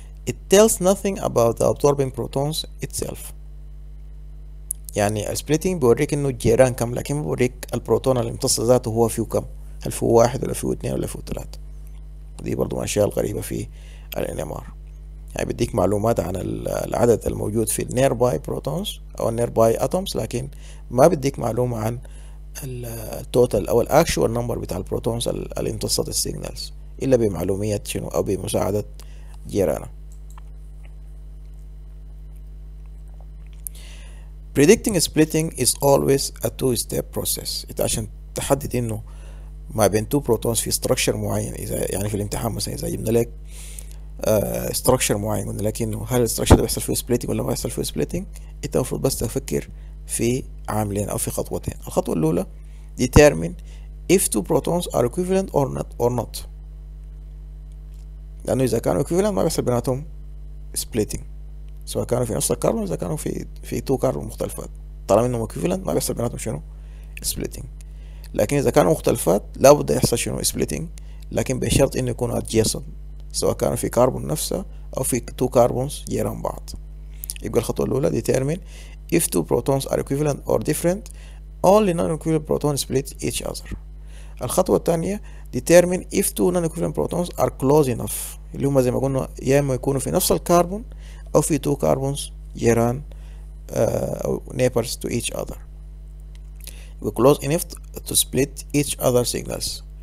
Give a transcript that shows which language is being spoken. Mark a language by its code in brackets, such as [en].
[en] It tells nothing about the absorbing protons itself. [ar] يعني ال splitting بيوريك انه الجيران كم، لكن بيوريك البروتون الممتص ذاته هو فيه كم، هل فيه واحد ولا فيه اثنين ولا فيه ثلاثة. دي برضو من الأشياء الغريبة في ال NMR، يعني بيديك معلومات عن العدد الموجود في ال nearby protons أو ال nearby atoms، لكن ما بيديك معلومة عن التوتال او الاكشوال نمبر بتاع البروتونز اللي امتصت السيجنالز الا بمعلوميه شنو او بمساعده جيرانا. [en] Predicting splitting is always a two step process. [ar] انت عشان تحدد انه ما بين تو بروتونز في ستراكشر معين، اذا يعني في الامتحان مثلا اذا جبنا لك ستراكشر معين قلنا لك انه هل الستراكشر ده بيحصل فيه سبليتنج ولا ما بيحصل فيه سبليتنج، انت المفروض بس تفكر في عاملين او في خطوتين. الخطوه الاولى [en] determine if two protons are equivalent or not [ar] لانه اذا كانوا equivalent ما بيحصل بيناتهم splitting، سواء كانوا في نفس الكربون اذا كانوا في تو كربون مختلفات، طالما انهم equivalent ما بيحصل بيناتهم شنو؟ splitting. لكن اذا كانوا مختلفات لابد يحصل شنو؟ splitting، لكن بشرط انه يكونوا adjacent سواء كانوا في كربون نفسه او في تو كربونز جيران بعض. يبقى الخطوه الاولى [en] determine if two protons are equivalent or different only non-equivalent protons split each other. [ar] الخطوة الثانية [en] determine if two non-equivalent protons are close enough، [ar] اللي هما زي ما قلنا يا اما يكونوا في نفس الكربون او في two carbons جيران او [en] neighbors to each other. We close enough to split each other signals.